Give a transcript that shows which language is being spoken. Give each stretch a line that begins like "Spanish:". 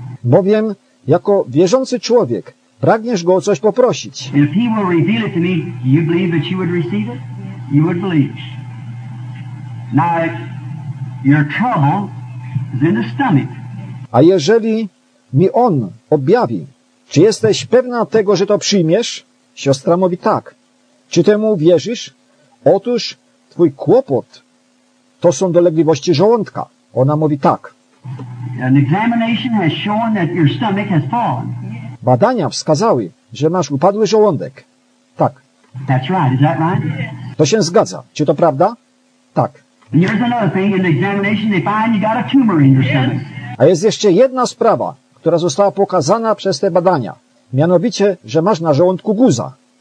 Polish: Bowiem jako wierzący człowiek pragniesz go o coś poprosić.
English: If he will reveal it to me, do you believe that you would receive it? You would believe. Now, if your trouble is in the stomach.
Polish: A jeżeli mi on objawi, czy jesteś pewna tego, że to przyjmiesz? Siostra mówi tak. Czy temu wierzysz? Otóż twój kłopot to są dolegliwości żołądka. Ona mówi tak.
English: An examination has shown that your stomach has fallen.
Polish: Badania wskazały, że masz upadły żołądek. Tak.
English: That's right. Is that right?
Polish: To się zgadza. Czy to prawda? Tak.
English: And there's another thing in the examination they find you got a tumor in your stomach.
Polish: A jest jeszcze jedna sprawa, która została pokazana przez te badania. Mianowicie, że masz na żołądku guza.